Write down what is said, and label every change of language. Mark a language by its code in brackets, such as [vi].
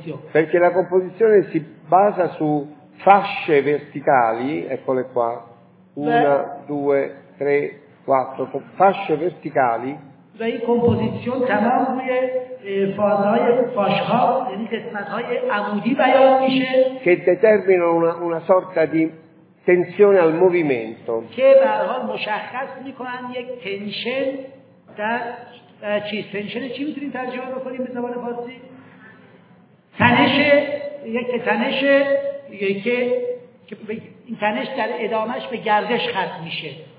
[it] Perché la composizione si basa su fasce verticali, eccole qua, una, due, tre, quattro, fasce verticali. [fa] و این کمپوزیسیون تمام روی فازهای فاشها یعنی قسمتهای عمودی بیان میشه که [it] determina una sorta di tensione al movimento. [fa] Che برحال مشخص میکنن یک tension در چیز tension چی میتونیم ترجمه بکنیم به زبان فارسی؟ تنش یک تنش یکی این تنش در ادامهش به گردش ختم میشه.